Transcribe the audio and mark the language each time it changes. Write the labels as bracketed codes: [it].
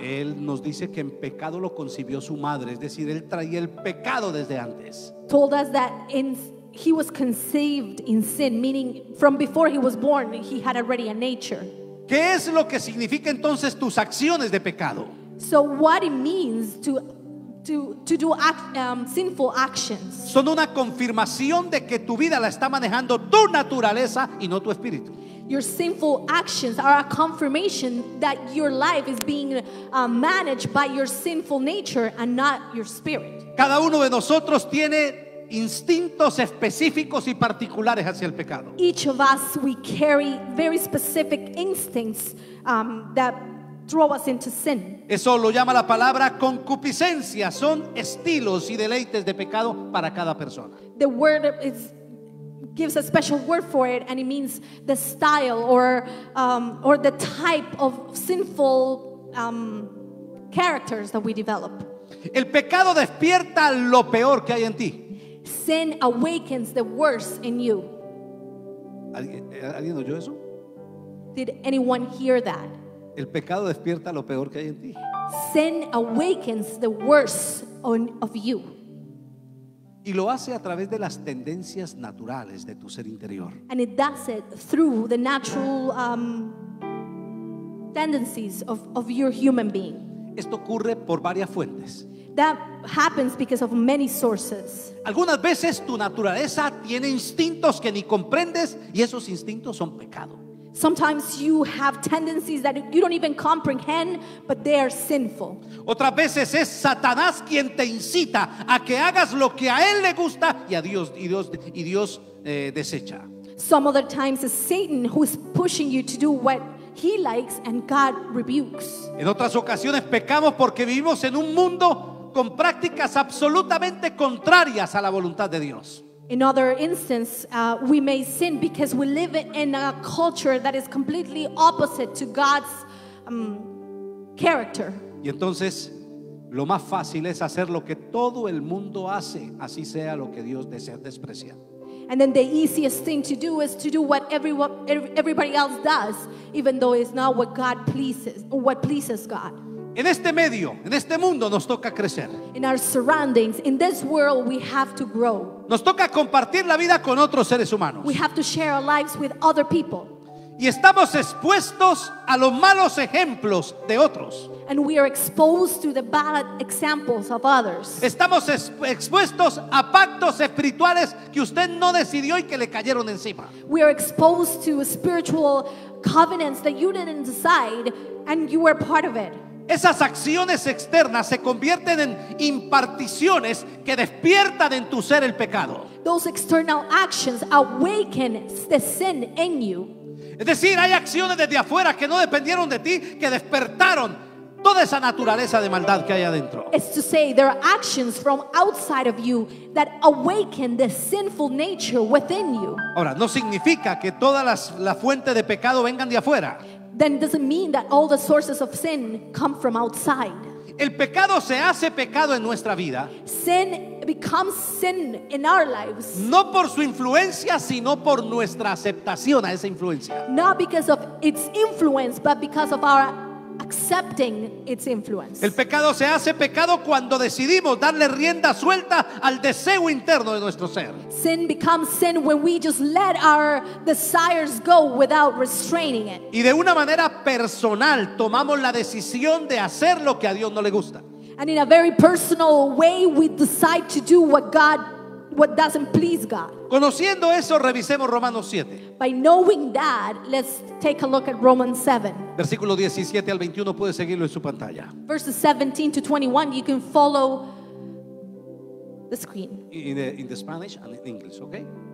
[es] Él nos dice que en pecado lo concibió su madre, es decir, él traía el pecado desde antes. [en] Told us that he was conceived in sin, meaning from before he was born, he had already a nature. [es] ¿Qué es lo que significa entonces tus acciones de pecado? [en] So what it means to do sinful actions. [es] Son una confirmación de que tu vida la está manejando tu naturaleza y no tu espíritu. [en] Your sinful actions are a confirmation that your life is being managed by your sinful nature and not your spirit. [es] Cada uno de nosotros tiene instintos específicos y particulares hacia el pecado. [en] Each of us, we carry very specific instincts that throw us into sin. [es] Eso lo llama la palabra concupiscencia. Son estilos y deleites de pecado para cada persona. [en] The word gives a special word for it, and it means the style or the type of sinful characters that we develop. [es] El pecado despierta lo peor que hay en ti. [en] Sin awakens the worst in you. [es] ¿Alguien oyó eso? [en] Did anyone hear that? [es] El pecado despierta lo peor que hay en ti. [en] Sin awakens the worst of you. [es] Y lo hace a través de las tendencias naturales de tu ser interior. [en] And it does it through the natural tendencies of your human being. [es] Esto ocurre por varias fuentes. [en] That happens because of many sources. [es] Algunas veces tu naturaleza tiene instintos que ni comprendes y esos instintos son pecado. [en] Sometimes you have tendencies that you don't even comprehend, but they are sinful. [es] Otras veces es Satanás quien te incita a que hagas lo que a él le gusta y a Dios desecha. [en] Some other times it's Satan who is pushing you to do what he likes and God rebukes. [es] En otras ocasiones pecamos porque vivimos en un mundo con prácticas absolutamente contrarias a la voluntad de Dios. [en] In other instances, we may sin because we live in a culture that is completely opposite to God's character. [es] Y entonces, lo más fácil es hacer lo que todo el mundo hace, así sea lo que Dios desea despreciar. [en] And then the easiest thing to do is to do what everybody else does, even though it's not what God pleases, or what pleases God. [es] En este medio, en este mundo, nos toca crecer. [en] In our surroundings, in this world, we have to grow. [es] Nos toca compartir la vida con otros seres humanos. [en] We have to share our lives with other people. [es] Y estamos expuestos a los malos ejemplos de otros. [en] And we are exposed to the bad examples of others. [es] Estamos expuestos a pactos espirituales que usted no decidió y que le cayeron encima. [en] We are exposed to spiritual covenants that you didn't decide and you were part of it. [es] Esas acciones externas se convierten en imparticiones que despiertan en tu ser el pecado. [en] Those external actions awaken the sin in you. [es] Es decir, hay acciones desde afuera que no dependieron de ti, que despertaron toda esa naturaleza de maldad que hay adentro. [en] It's to say there are actions from outside of you that awaken the sinful nature within you. [es] Ahora, no significa que todas la fuente de pecado vengan de afuera. [en] Then it doesn't mean that all the sources of sin come from outside. [es] El pecado se hace pecado en nuestra vida. [en] Sin becomes sin in our lives. [es] No por su influencia, sino por nuestra aceptación a esa influencia. [en] Not because of its influence, but because of our accepting its influence. [es] El pecado se hace pecado cuando decidimos darle rienda suelta al deseo interno de nuestro ser. [en] Sin becomes sin when we just let our desires go without restraining it. [es] Y de una manera personal tomamos la decisión de hacer lo que a Dios no le gusta. [en] And in a very personal way we decide to do what doesn't please God. [es] Conociendo eso, revisemos Romanos 7. [en] By knowing that, let's take a look at Romans 7. [es] Versículo 17 al 21, puede seguirlo en su pantalla. [en] Verses 17 to 21, you can follow the screen. In the Spanish and in English, okay?